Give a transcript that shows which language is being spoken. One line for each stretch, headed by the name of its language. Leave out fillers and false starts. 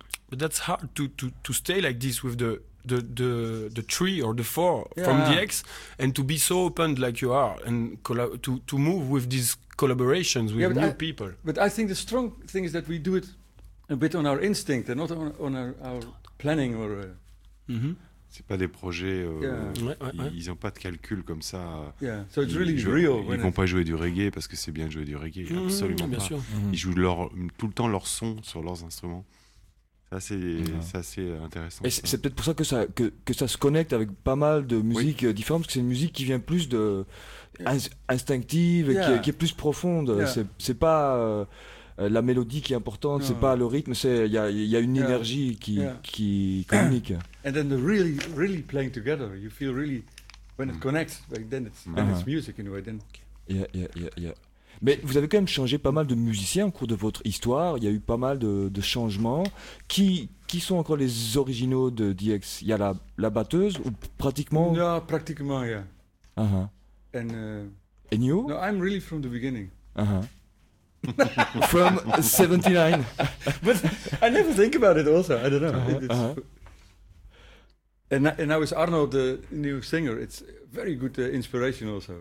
English: But that's hard to stay like this with the three or the four from the X, and to be so open like you are, and to move with these collaborations with new people. But I think the strong thing is that we do it a bit on our instinct and not on our planning or.
French: C'est pas des projets. Ils n'ont pas de calcul comme ça.
English: Yeah. So it's really real.
French: Ils vont pas jouer du reggae parce que c'est bien de jouer du reggae. Absolument bien pas. Sûr. Ils jouent tout le temps leur son sur leurs instruments. Ça c'est assez intéressant. Et c'est peut-être pour ça que ça se connecte avec pas mal de musiques différentes, parce que c'est une musique qui vient plus de instinctive, qui est plus profonde. Yeah. C'est pas la mélodie qui est importante, c'est pas le rythme, c'est il y a une énergie qui communique.
English: And then the really, really playing together, you feel really when it connects, like then it's then it's music in a way. Then. Yeah.
French: Mais vous avez quand même changé pas mal de musiciens au cours de votre histoire. Il y a eu pas mal de changements. Qui sont encore les originaux de DX? Il y a la batteuse ou pratiquement? Non, pratiquement, yeah.
English: And you? No, I'm really from the beginning. From 79. But I never think about it also. I don't know. And now with Arno, the new singer, it's very good inspiration also.